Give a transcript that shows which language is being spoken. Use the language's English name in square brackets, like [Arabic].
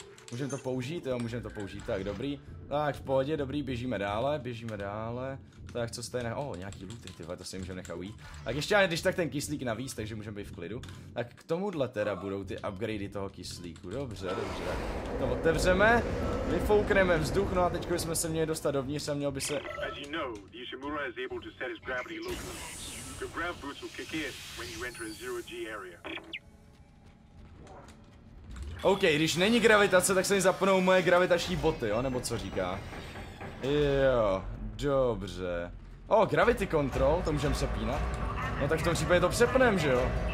[Czech] Můžeme to použít, jo, můžeme to použít, tak dobrý. Tak, v pohodě, dobrý, běžíme dále. Tak, co stejné, oh, nějaký looty, tyhle, to si můžeme nechat ujít. Tak ještě, když tak ten kyslík navíc, takže můžeme být v klidu. Tak k tomuhle teda budou ty upgradey toho kyslíku, dobře. To otevřeme, vyfoukneme vzduch, no a teď bychom se měli dostat dovnitř a měl by se... [English] As you know, the Ishimura is able to set his gravity locally. Your ground boots will kick in when you enter a zero G area. [Czech] OK, když není gravitace, tak se mi zapnou moje gravitační boty, jo, nebo co říká. Jo, dobře. O, gravity control, to můžeme přepínat. No tak v tom případě to přepneme, že jo.